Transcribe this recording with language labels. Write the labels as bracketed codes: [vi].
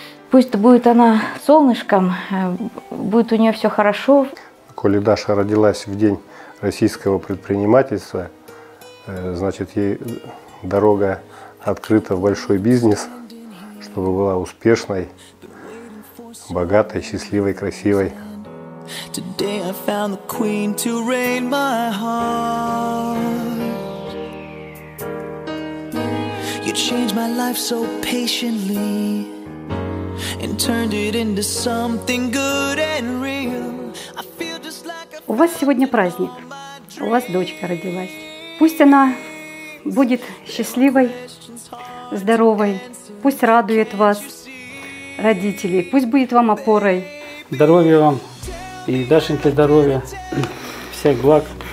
[ru] Пусть будет она солнышком, будет у нее все хорошо. Коли Даша родилась в день российского предпринимательства, значит, ей дорога открыта в большой бизнес, чтобы была успешной, богатой, счастливой, красивой. [en] Today I found the queen to reign my heart. You changed my life so patiently and turned it into something good and real. I feel just like a... [ru] У вас сегодня праздник. У вас дочка родилась. Пусть она будет счастливой, здоровой. Пусть радует вас, родителей. Пусть будет вам опорой. Здоровья вам. И Дашеньке здоровья. Всех благ.